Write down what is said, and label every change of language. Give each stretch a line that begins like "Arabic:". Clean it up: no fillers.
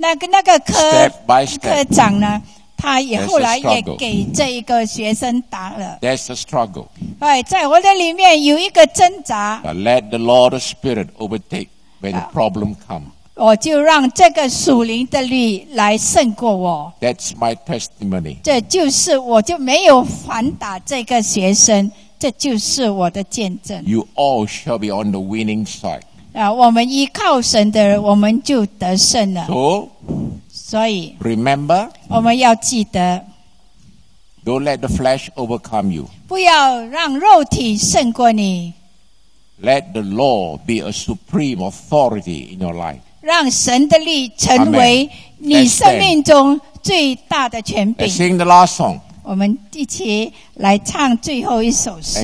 Chinese: 那个科长呢，他也后来也给这一个学生打了。
English: That's a struggle.
Chinese: 在我的里面有一个挣扎。
English: But let the Lord of Spirit overtake when the problem comes.
Chinese: 我就让这个属灵的律来胜过我。
English: That's my testimony.
Chinese: 这就是我就没有反打这个学生，这就是我的见证。
English: You all shall be on the winning side.
Chinese: 我们依靠神的人，我们就得胜了。所以
English: ，Remember，
Chinese: 我们要记得
English: ，Don't let the flesh overcome you.
Chinese: 不要让肉体胜过你。
English: Let the law be a supreme authority in your life.
Chinese: 让神的律成为你生命中最大的权柄。
English: Let's sing the last song.
Chinese: 我们一起来唱最后一首诗。